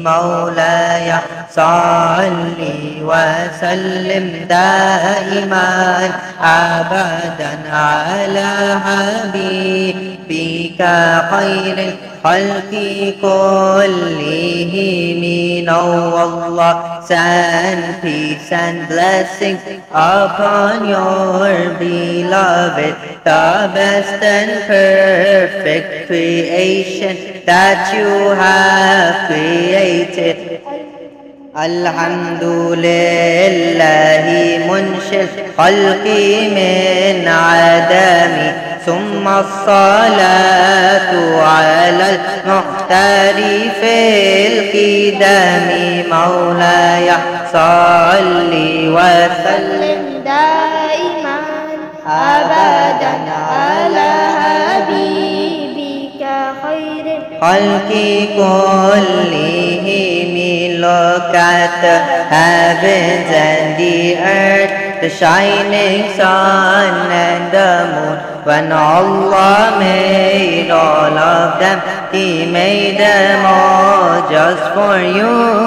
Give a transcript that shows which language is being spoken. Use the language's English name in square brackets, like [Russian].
[Arabic] مولاي صلي وسلم دائما ابدا على حبيبك خير خلق كلهم. نور الله سن [English] peace and blessings upon your beloved, the best and perfect creation that you have created. [Arabic] الحمد لله منشئ الخلق من عدم ثم الصلاة على المختار في القدم. مولاي صل وسلم دائما أبدا على حبيبك خير خلق كلهم. [English] Look at the heavens and the earth, the shining sun and the moon. When Allah made all of them, He made them all just for you.